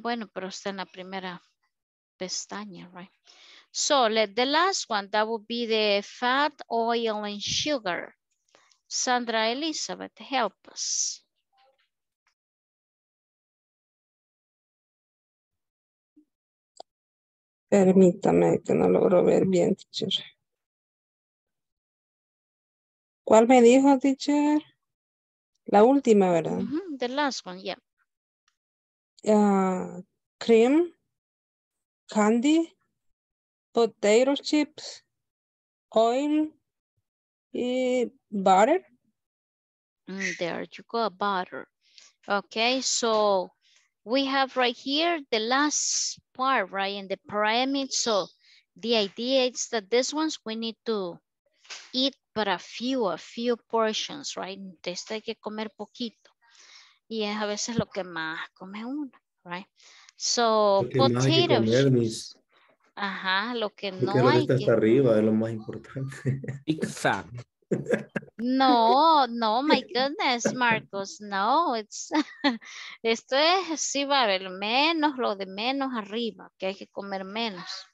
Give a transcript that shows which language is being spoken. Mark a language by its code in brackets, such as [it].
[es] Bueno, pero está en la primera pestaña, right? [en] So, the last one, that would be the fat, oil, and sugar. Sandra Elizabeth, help us. [es] Permítame que no logro ver bien, teacher. ¿Cuál me dijo, teacher? La última, ¿verdad? [en] Mm-hmm. The last one, yeah. Cream, candy, potato chips, oil, y butter. There you go, butter. Okay, so we have right here the last part, right, in the pyramid. So the idea is that this ones we need to eat but a few portions, right? [es] Entonces hay que comer poquito. Y es a veces lo que más come uno, right? [en] So potato chips. [es] Ajá, lo que no hay que... Está arriba, es lo más importante. [en] Pizza. [es] No, no, [en] my goodness, [es] Marcos, no, it's, esto es, sí, va a haber menos, lo de menos arriba, que hay que comer menos.